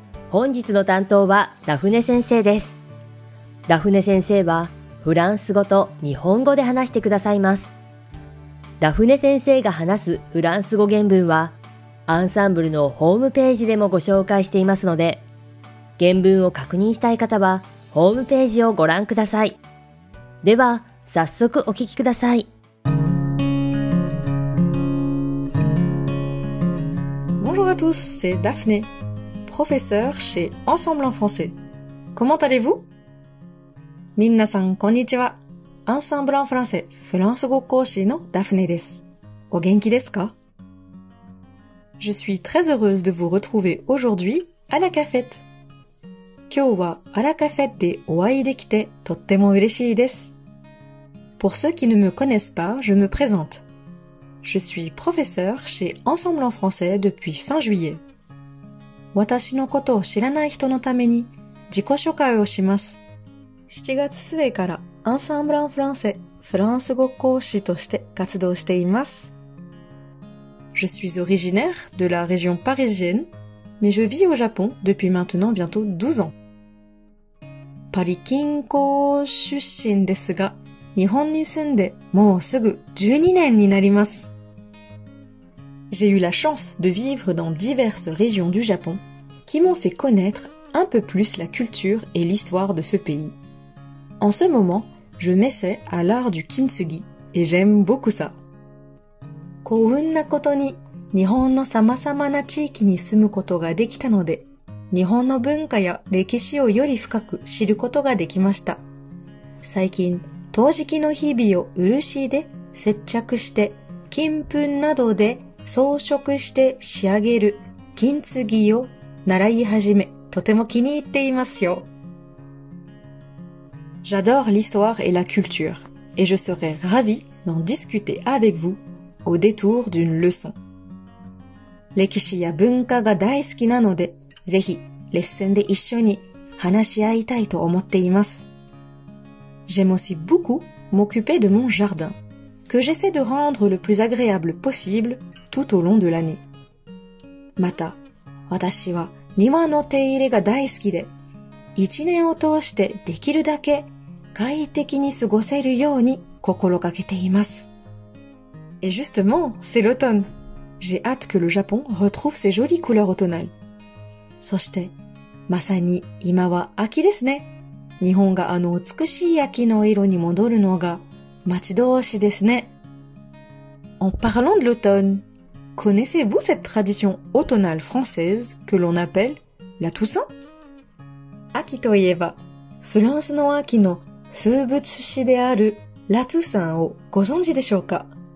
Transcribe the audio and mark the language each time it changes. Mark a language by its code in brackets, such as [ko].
[ja] 本日の担当はダフネ先生です。ダフネ先生はフランス語と日本語で話してくださいます。ダフネ先生が話すフランス語原文はアンサンブルのホームページでもご紹介していますので、原文を確認したい方はホームページをご覧ください。では早速お聞きください。 [fr] Bonjour à tous, c'est Daphné, professeur chez Ensemble en français. Comment allez-vous? [ja] みなさん、こんにちは。 Ensemble en français、フランス語講師のダフネです。お元気ですか? [fr] Je suis très heureuse de vous retrouver aujourd'hui à la cafette. [ja] 今日はアラカフェでお会いできてとっても嬉しいです。 [fr] Pour ceux qui ne me connaissent pas, je me présente. Je suis professeur chez Ensemble en français depuis fin juillet. [ja] 私のことを知らない人のために自己紹介をします。 7月末から Ensemble en français、フランス語講師として活動しています。 [fr] Je suis originaire de la région parisienne, mais je vis au Japon depuis maintenant bientôt 12 ans. [ja] パリ近郊出身ですが、日本に住んでもうすぐ12年になります。 [fr] J'ai eu la chance de vivre dans diverses régions du Japon qui m'ont fait connaître un peu plus la culture et l'histoire de ce pays. En ce moment, je m'essaie à l'art du kintsugi et j'aime beaucoup ça. [ja] 幸運なことに日本の様々な地域に住むことができたので、日本の文化や歴史をより深く知ることができました。最近陶磁器の日々を漆で接着して、金粉などで装飾して仕上げる金継ぎを習い始め、とても気に入っていますよ。 [fr] J'adore l'histoire et la culture, et je serais ravie d'en discuter avec vous au détour d'une leçon. [ja] 歴史や文化が大好きなので、ぜひレッスンで一緒に話し合いたいと思っています。 [fr] J'aime aussi beaucoup m'occuper de mon jardin, que j'essaie de rendre le plus agréable possible tout au long de l'année. [ja] また、私は庭の手入れが大好きで、一年を通してできるだけ快適に過ごせるように心がけています。 [fr] Et justement, c'est l'automne. J'ai hâte que le Japon retrouve ses jolies couleurs automnales. [ja] そして、まさに今は秋ですね。日本があの美しい秋の色に戻るのが待ち遠しいですね。 [fr] En parlant de l'automne, connaissez-vous cette tradition automnale française que l'on appelle la Toussaint? [ja] 秋といえば、フランスの秋の風物詩であるラトゥサンをご存知でしょうか?